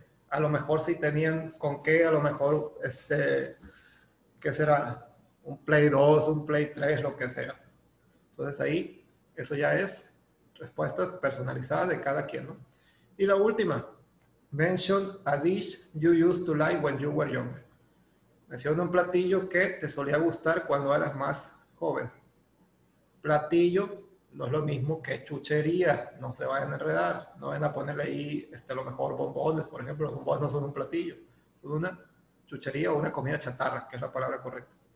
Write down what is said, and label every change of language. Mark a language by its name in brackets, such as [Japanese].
[Spanish] A lo mejor si tenían con qué, a lo mejor, ¿qué será? Un Play 2, un Play 3, lo que sea. Entonces ahí, eso ya es respuestas personalizadas de cada quien, ¿no? Y la última, [English] mention a dish you used to like when you were younger. [Spanish] Menciona un platillo que te solía gustar cuando eras más joven. Platillo no es lo mismo que chuchería, no se vayan a enredar, no vayan a ponerle ahí lo mejor bombones, por ejemplo, los bombones no son un platillo, son una chuchería o una comida chatarra, que es la palabra correcta.